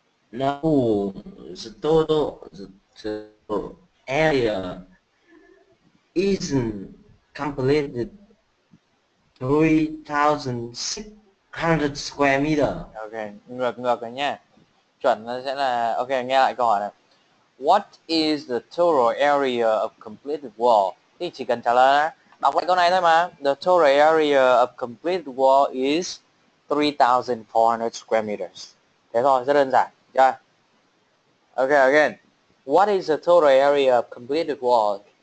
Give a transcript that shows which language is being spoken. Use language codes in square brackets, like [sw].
[en] No, the total area isn't completed 3,600 square meter. [vi] Okay, ngược ngược rồi nha. Chuẩn nó sẽ là, okay, nghe lại câu hỏi này. [en] What is the total area of completed wall? [vi] Thì chỉ cần trả lời, đọc lại câu này thôi mà. [en] The total area of completed wall is 3,400 square meters. [vi] Thế thôi, rất đơn giản. [en] Yeah. Okay, again. What is the total area of completed wall?